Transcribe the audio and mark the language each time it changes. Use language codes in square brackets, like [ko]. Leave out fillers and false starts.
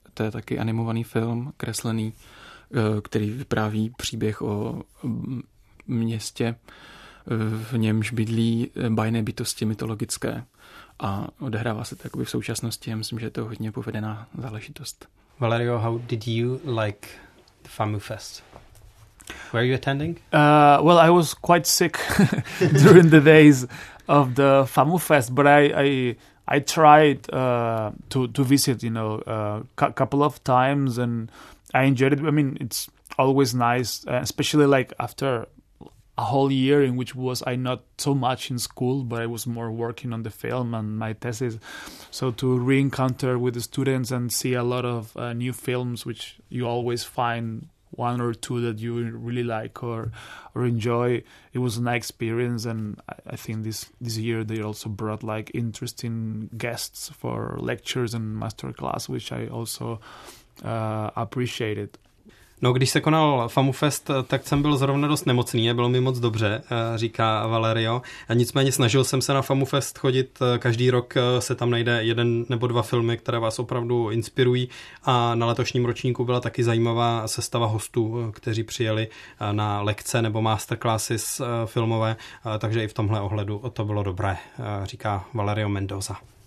[cs] To je taky animovaný film, kreslený, který vypráví příběh o městě, v němž bydlí bajné bytosti mytologické a odehrává se to v současnosti. Já myslím, že je to hodně povedená záležitost. [en] Valerio, how did you like the FAMUFEST? Where are you attending? Well, I was quite sick during the days of the FAMUFEST, but I tried to visit, you know, couple of times, and I enjoyed it. I mean, it's always nice, especially like after a whole year in which was I not so much in school, but I was more working on the film and my thesis. So to re-encounter with the students and see a lot of new films, which you always find one or two that you really like or enjoy. It was a nice experience, and I think this year they also brought like interesting guests for lectures and masterclass, which I also appreciated. [cs] No, když se konal FAMUFEST, tak jsem byl zrovna dost nemocný, bylo mi moc dobře, říká Valerio. A nicméně snažil jsem se na FAMUFEST chodit, každý rok se tam najde jeden nebo dva filmy, které vás opravdu inspirují. A na letošním ročníku byla taky zajímavá sestava hostů, kteří přijeli na lekce nebo masterclasses filmové, takže i v tomhle ohledu to bylo dobré, říká Valerio Mendoza.